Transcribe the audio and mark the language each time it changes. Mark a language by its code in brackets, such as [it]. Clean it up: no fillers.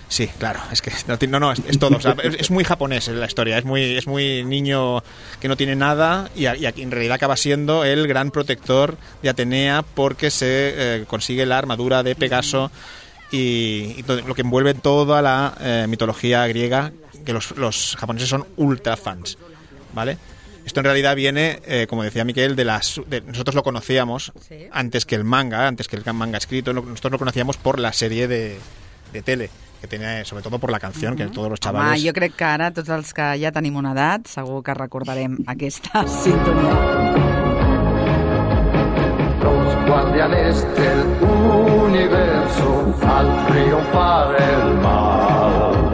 [es] Sí, claro, es que es todo, o sea, es muy japonés la historia, es muy niño que no tiene nada, y en realidad acaba siendo el gran protector de Atenea, porque se consigue la armadura de Pegaso y lo que envuelve toda la mitología griega, que los japoneses son ultra fans, ¿vale? Esto en realidad viene, como decía Miquel, nosotros lo conocíamos antes que el manga, antes que el manga escrito, nosotros lo conocíamos por la serie de tele, que tenía, sobre todo por la canción, uh-huh. Que todos los chavales... [ca] Home, jo crec que ara, tots els que ja tenim una edat, segur que recordarem aquesta sintonia. [es] Los guardianes del universo al triunfar el mal.